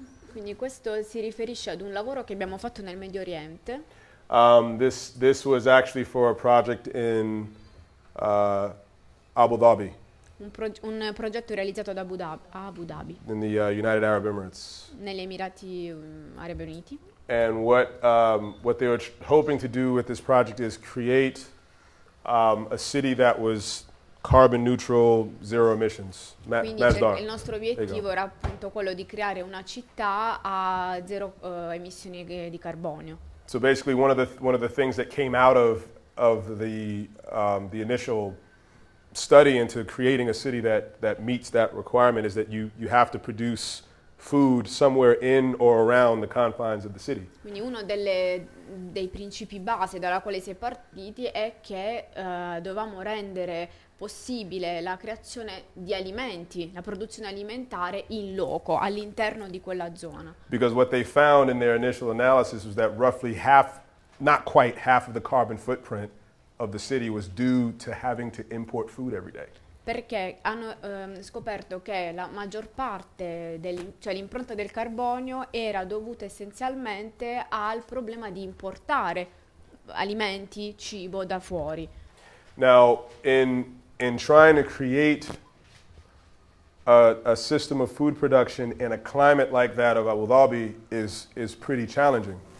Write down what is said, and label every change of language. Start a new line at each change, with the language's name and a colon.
Italian: Quindi questo si riferisce ad un lavoro che abbiamo fatto nel Medio Oriente.
English: This was actually for a project in Abu Dhabi, in
Italian: Un progetto realizzato ad Abu Dhabi,
English: the United Arab Emirates.
Italian: negli Emirati Arabi Uniti.
English: And what they were hoping to do with this project is create a city that was carbon neutral, zero emissions.
Italian: Quindi il
English: Masdar.
Italian: nostro
English: There you go.
Italian: obiettivo era appunto quello di creare una città a zero emissioni di carbonio.
English: So basically one of the things that came out of the initial study into creating a city that meets that requirement is that you have to produce food somewhere in or around the confines of the city.
Italian: Quindi uno dei principi base dalla quale si è partiti è che dovevamo rendere possibile la creazione di alimenti, la produzione alimentare in loco, all'interno di quella zona.
English: Because what they found in their initial analysis was that roughly half not quite half of the carbon footprint of the city was due to having to import food every day.
Italian: Perché hanno scoperto che la maggior parte, cioè l'impronta del carbonio, era dovuta essenzialmente al problema di importare alimenti, cibo da fuori.
English: Now, in trying to create a system of food production in a climate like that of Abu Dhabi is pretty challenging.